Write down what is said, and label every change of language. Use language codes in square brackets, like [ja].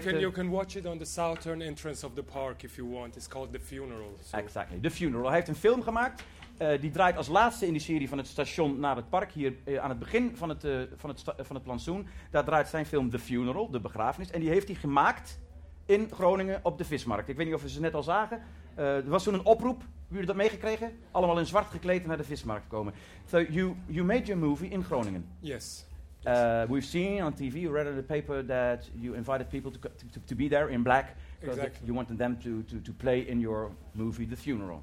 [en] You can watch it on the southern entrance of the park if you want. It's called The Funeral. So. Exactly, [nl] The Funeral. Hij heeft een film gemaakt... Die draait als laatste in die serie van het station naar het park. Hier aan het begin van het plantsoen. Daar draait zijn film The Funeral, de begrafenis. En die heeft hij gemaakt in Groningen op de Vismarkt. Ik weet niet of we ze net al zagen. Er was toen een oproep. Hebben jullie dat meegekregen? Allemaal in zwart gekleed naar de Vismarkt komen. [en] So you made your movie in Groningen. Yes. We've seen on TV, read in the paper that you invited people to be there in black. Exactly. You wanted them to play in your movie, The Funeral.